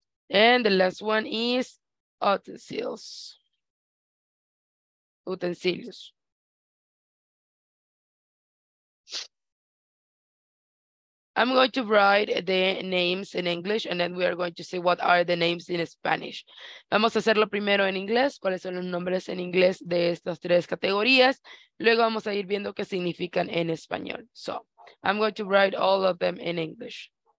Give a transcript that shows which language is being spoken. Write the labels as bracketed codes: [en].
[en] And the last one is utensils. Utensilios. I'm going to write the names in English and then we are going to see what are the names in Spanish. [es] Vamos a hacerlo primero en inglés, cuáles son los nombres en inglés de estas tres categorías. Luego vamos a ir viendo qué significan en español. [en] So, I'm going to write all of them in English.